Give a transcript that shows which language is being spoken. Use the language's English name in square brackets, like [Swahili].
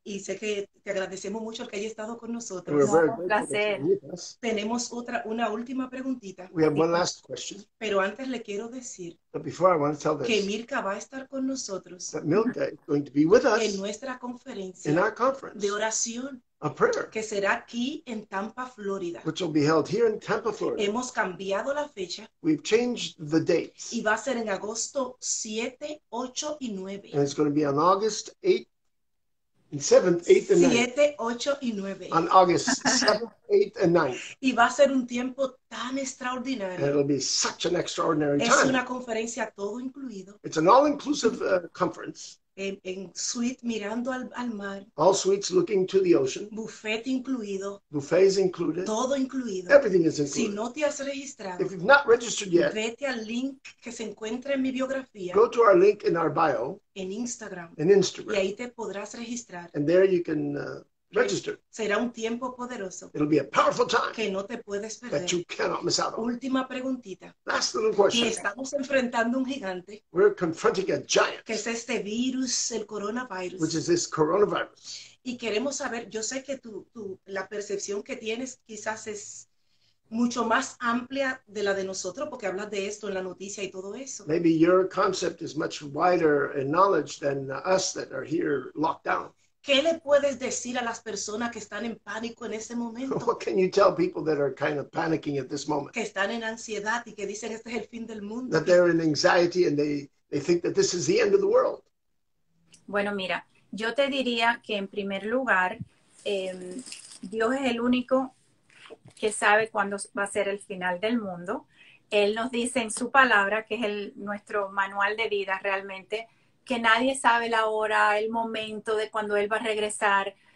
[Spanish] Y sé que te agradecemos mucho el que hayas estado con nosotros. Un placer. Tenemos una última preguntita. [English] We have one last question. [Spanish] Pero antes le quiero decir que Mirka va a estar con nosotros en nuestra conferencia de oración. [English] A prayer, [Spanish] que será aquí en Tampa, Florida. [English] Which will be held here in Tampa, Florida. [Spanish] Hemos cambiado la fecha. [English] We've changed the dates. [Spanish] Y va a ser en agosto 7, 8 y 9. [English] And it's going to be on August 8th and 9th. [Spanish] 7, 8 y 9. [English] On August 7th, 8th and 9th. [Spanish] Y va a ser un tiempo tan extraordinario. [English] And it'll be such an extraordinary [Spanish] es [English] time. [Spanish] Es una conferencia todo incluido. [English] It's an all-inclusive conference. [Spanish] En suite mirando al mar. [English] All suites looking to the ocean. [Spanish] Buffet incluido. [English] Buffets included. [Spanish] Todo incluido. [English] Everything is included. [Spanish] Si no te has registrado. [English] If you've not registered yet. [Spanish] Vete al link que se encuentra en mi biografía. [English] Go to our link in our bio. [Spanish] En Instagram. [English] In Instagram. [Spanish] Y ahí te podrás registrar. [English] And there you can register. [Spanish] Será un tiempo poderoso. [English] It'll be a powerful time. [Spanish] Que no te puedes perder. [English] That you cannot miss out on. [Spanish] Última preguntita. [English] Last little question. [Spanish] Y estamos enfrentando un gigante. [English] We're confronting a giant. [Spanish] Que es este virus, el coronavirus. [English] Which is this coronavirus. [Spanish] Y queremos saber, yo sé que tú la percepción que tienes quizás es mucho más amplia de la de nosotros porque hablas de esto en la noticia y todo eso. [English] Maybe your concept is much wider in knowledge than us that are here locked down. [Spanish] ¿Qué le puedes decir a las personas que están en pánico en ese momento? [English] What can you tell people that are kind of panicking at this moment? [Spanish] Que están en ansiedad y que dicen este es el fin del mundo. [English] That they're in anxiety and they think that this is the end of the world. [Spanish] Bueno, mira, yo te diría que en primer lugar, Dios es el único que sabe cuándo va a ser el final del mundo. Él nos dice en su palabra, que es nuestro manual de vida realmente, que nadie sabe la hora, el momento de cuando Él va a regresar.